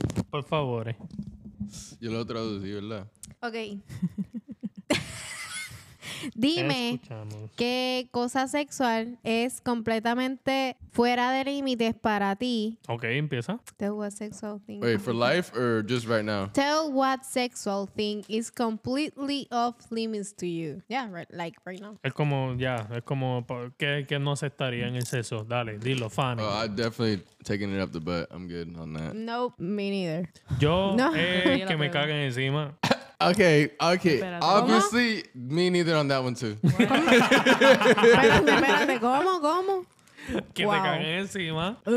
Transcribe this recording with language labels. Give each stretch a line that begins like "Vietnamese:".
Spanish: Por favor. Yo lo traducí, ¿verdad? Ok. Dime qué cosa sexual es completamente fuera de límites para ti. Ok, empieza.
English: Tell what sexual thing. Wait, for life or just right now? Tell what sexual thing is completely off limits to you. Yeah, right, like right now.
Spanish: Es como, ya, yeah, es como, ¿qué no aceptaría en el sexo? Dale, dilo, Fanny.
English: Oh, I'm definitely taking it up the butt. I'm good on that. Nope, me neither.
Spanish: Yo, no. Que me caguen encima.
English: Okay.
Spanish: Espérate.
English: Obviously,
Spanish: ¿cómo?
English: Me neither on that one too.
Spanish: Espérate. ¿Cómo? Que wow. Te caguen encima.